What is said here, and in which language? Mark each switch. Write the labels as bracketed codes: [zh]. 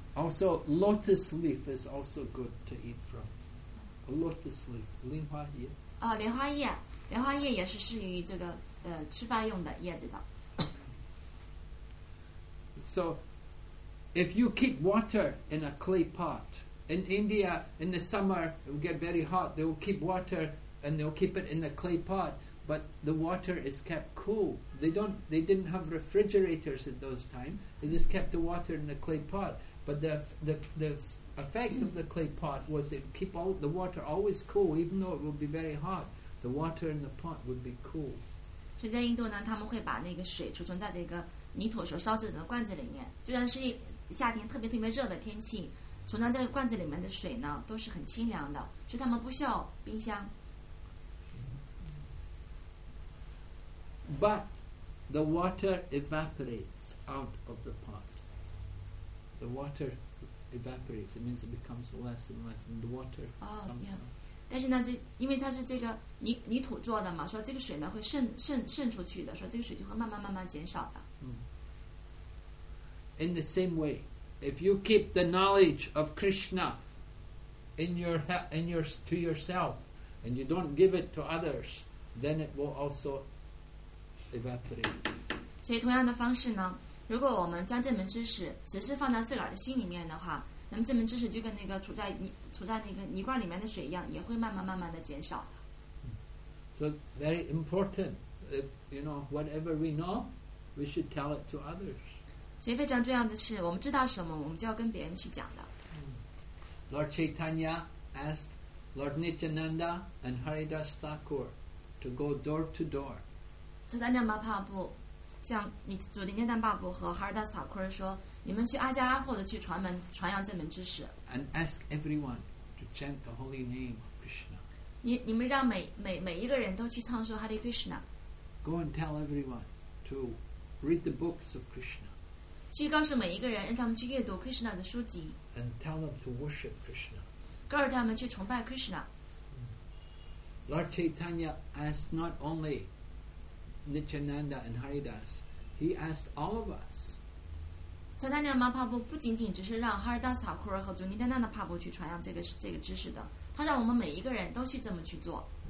[en] Also, lotus leaf is also good to eat from. Lotus leaf, [zh] 莲花叶。啊，莲花叶，莲花叶也是适用于这个吃饭用的叶子的。 [en] So, if you keep water in a clay pot, in India, in the summer, it will get very hot. They will keep water and they will keep it in a clay pot, but the water is kept cool. They didn't have refrigerators at those times. They just kept the water in a clay pot. But the effect of the clay pot was it keep all the water always cool, even though it would be very hot. The water in the pot would be cool. [zh] 所以在印度呢，他们会把那个水储存在这个泥土所烧制的罐子里面。就算是夏天特别特别热的天气，储存在罐子里面的水呢，都是很清凉的，所以他们不需要冰箱。 [en] But the water evaporates out of the pot. The water evaporates. It means it becomes less and less, and the water comes out. [zh] 但是呢，这因为它是这个泥土做的嘛，说这个水呢会渗出去的，说这个水就会慢慢减少的。 [en] In the same way, if you keep the knowledge of Krishna in your to yourself, and you don't give it to others, then it will also evaporate. [zh] 所以同样的方式呢，如果我们将这门知识只是放到自个儿的心里面的话，那么这门知识就跟那个处在那个泥罐里面的水一样，也会慢慢的减少的。 [en] So very important, if, you know, whatever we know, we should tell it to others. [zh] 所以非常重要的是，我们知道什么，我们就要跟别人去讲的。 [en] Lord Chaitanya asked Lord Nityananda and Haridas Thakur to go door to door. [zh] 慈丹娘玛帕布向你主林念丹巴布和哈尔达斯塔库尔说，你们去阿加阿霍的去传门传扬这门知识。 [en] And ask everyone to chant the holy name of Krishna. [zh] 你们让每一个人都去唱诵哈利克什纳。 [en] Go and tell everyone to read the books of Krishna. [zh] 去告诉每一个人，让他们去阅读 Krishna 的书籍。 [en] And tell them to worship Krishna. [zh] 告诉他们去崇拜 Krishna. [en] Lord Chaitanya asked not only Nityananda and Haridas, he asked all of us. [zh] 查丹娘玛帕布不仅仅只是让哈尔达斯塔库尔和祖尼丹娜的帕布去传扬这个知识的，他让我们每一个人都去这么去做。